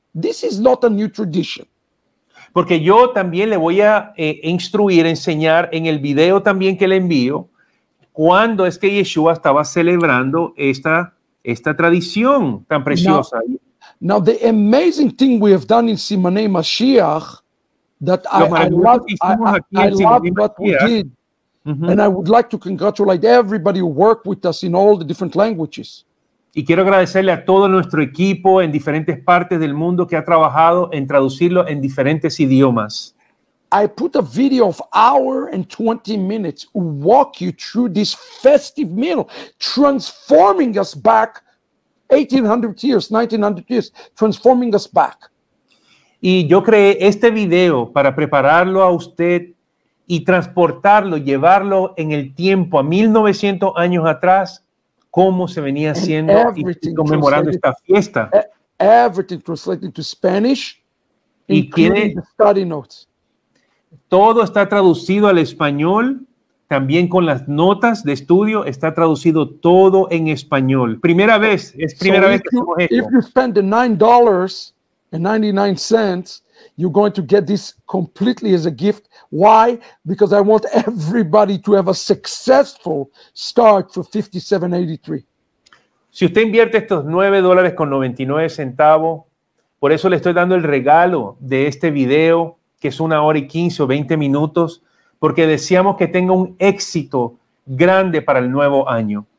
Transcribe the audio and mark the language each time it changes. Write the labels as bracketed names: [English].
[English] This is not a new tradition. [Spanish] Porque yo también le voy a enseñar en el video también que le envío, cuando es que Yeshua estaba celebrando esta tradición tan preciosa. [English] Now the amazing thing we have done in Simanei Mashiach that I love what we did and I would like to congratulate everybody who worked with us in all the different languages. [Spanish] Y quiero agradecerle a todo nuestro equipo en diferentes partes del mundo que ha trabajado en traducirlo en diferentes idiomas. [English] I put a video of hour and 20 minutes to walk you through this festive meal, transforming us back 1800 years, 1900 years, transforming us back. [Spanish] Y yo creé este video para prepararlo a usted y transportarlo, llevarlo en el tiempo a 1900 años atrás, cómo se venía haciendo y conmemorando esta fiesta. Everything translated to Spanish, including the study notes. Todo está traducido al español. También con las notas de estudio está traducido todo en español. Primera vez, es primera vez que hacemos esto. [English] If you spend the $9.99, you're going to get this completely as a gift. Why? Because I want everybody to have a successful start for 5783. [Spanish] Si usted invierte estos $9.99, por eso le estoy dando el regalo de este video, que es una hora y 15 o 20 minutos, porque deseamos que tenga un éxito grande para el nuevo año.